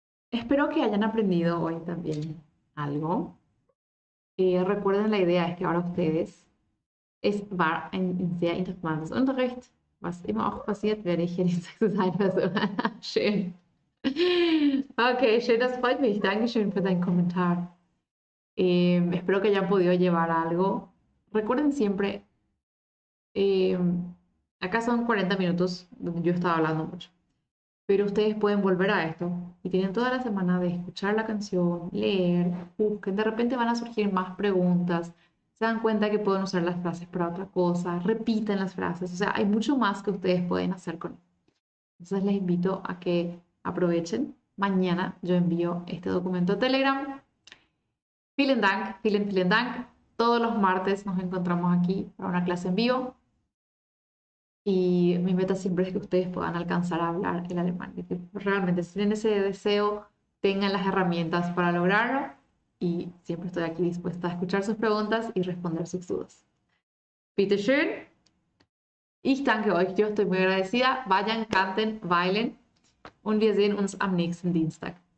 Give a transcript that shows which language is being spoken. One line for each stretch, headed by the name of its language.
Spanish: Espero que hayan aprendido hoy también algo. Recuerden, la idea es que ahora ustedes
German: es war ein sehr interessantes Unterricht, was immer auch passiert, werde ich hier die sechste Zeit versuchen. Schön. Okay, schön, das freut mich. Dankeschön für deinen Kommentar.
Spanish: Espero que hayan podido llevar algo. Recuerden siempre, acá son 40 minutos donde yo estaba hablando mucho. Pero ustedes pueden volver a esto y tienen toda la semana de escuchar la canción, leer, busquen. De repente van a surgir más preguntas. Se dan cuenta que pueden usar las frases para otra cosa. Repiten las frases. O sea, hay mucho más que ustedes pueden hacer con él. Entonces les invito a que aprovechen. Mañana yo envío este documento a Telegram.
German: Vielen Dank, vielen, vielen Dank.
Spanish: Todos los martes nos encontramos aquí para una clase en vivo. Y mi meta siempre es que ustedes puedan alcanzar a hablar el alemán. Y que realmente, si tienen ese deseo, tengan las herramientas para lograrlo. Y siempre estoy aquí dispuesta a escuchar sus preguntas y responder sus dudas.
German: Bitte schön. Ich danke euch.
Spanish: Yo estoy muy agradecida. Vayan, canten, bailen.
German: Und wir sehen uns am nächsten Dienstag.